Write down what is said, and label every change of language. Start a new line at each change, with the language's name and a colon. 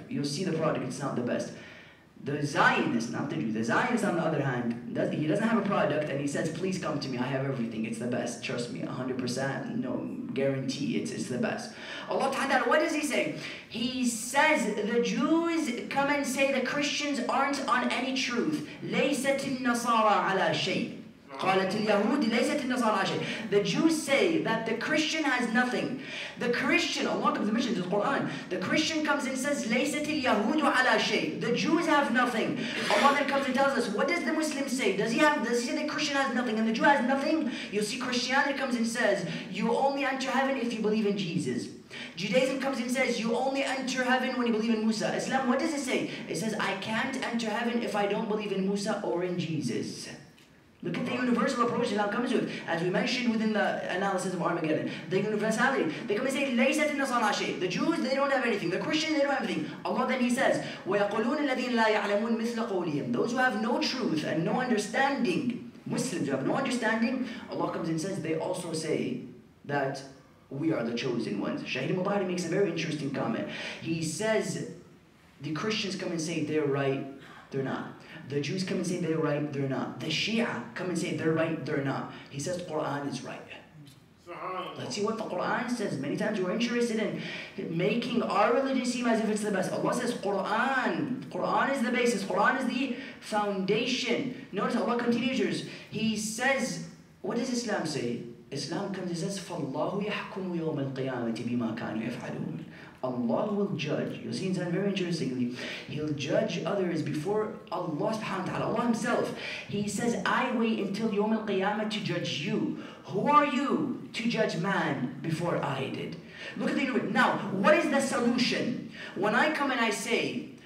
English: You'll see the product, it's not the best. The Zionist, not the Jew, the Zionist on the other hand, he doesn't have a product and he says, please come to me, I have everything, it's the best, trust me, 100%, no guarantee, it's the best. Allah Ta'ala, what does he say? He says, the Jews come and say the Christians aren't on any truth.
Arabic: ليست النصارى على شيء. قالت اليهود ليست النصارى على شيء.
English: The Jews say that the Christian has nothing. The Christian, Allah comes to mention the Quran. The Christian comes and says,
Arabic: ليست اليهود على شيء.
English: The Jews have nothing. Allah then comes and tells us, what does the Muslim say? Does he say the Christian has nothing and the Jew has nothing? You see, Christianity comes and says, you only enter heaven if you believe in Jesus. Judaism comes and says, you only enter heaven when you believe in Musa. Islam, what does it say? It says, I can't enter heaven if I don't believe in Musa or in Jesus. Look at the universal approach Islam comes with, as we mentioned within the analysis of Armageddon. The universality. They come and say,
Arabic: لَيْسَتْ النَّصَرَى شَيْءٍ.
English: The Jews, they don't have anything. The Christians, they don't have anything. Allah then he says,
Arabic: وَيَقُلُونَ الَّذِينَ لَا يَعْلَمُونَ مِثْلَ قَوْلِهِمْ.
English: Those who have no truth and no understanding, Muslims who have no understanding, Allah comes and says, they also say that we are the chosen ones. Shaheed Mubahari makes a very interesting comment. He says, the Christians come and say they're right, they're not. The Jews come and say they're right, they're not. The Shia come and say they're right, they're not. He says the Quran is right. Let's see what the Quran says. Many times we're interested in making our religion seem as if it's the best. Allah says Quran. Quran is the basis. Quran is the foundation. Notice Allah continues. He says, what does Islam say? Islam comes and says,
Arabic: فَاللَّهُ يَحْكُمُ يَوْمَ الْقِيَامَةِ بِمَا كَانُوا يَفْعَلُونَ.
English: Allah will judge. You'll see inside very interestingly. He'll judge others before Allah subhanahu wa ta'ala. Allah himself, he says, I wait until Yawm al-Qiyamah to judge you. Who are you to judge man before I did? Look at the Now, what is the solution? When I come and I say,